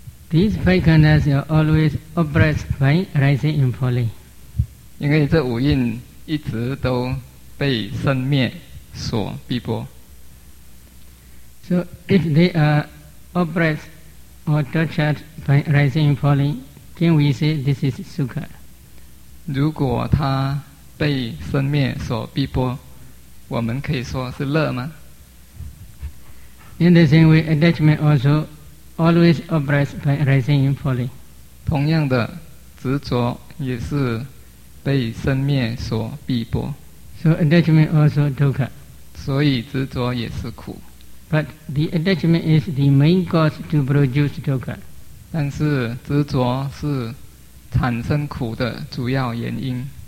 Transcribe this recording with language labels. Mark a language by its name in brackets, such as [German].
[English] These five kandas are always oppressed by rising and falling [Chinese] 因为这五蕴一直都被生灭所逼迫 [English] So if they are oppressed or tortured by rising and falling, can we say this is sukha? [Chinese] 如果他被生灭所逼迫，我们可以说是乐吗？ [English] In the same way, attachment also always oppressed by rising and falling. [Chinese] 同样的，执着也是被生灭所逼迫。 [English] So attachment also dukkha. [Chinese] 所以执着也是苦。 [English] But the attachment is the main cause to produce dukkha. [Chinese] 但是执着是产生苦的主要原因。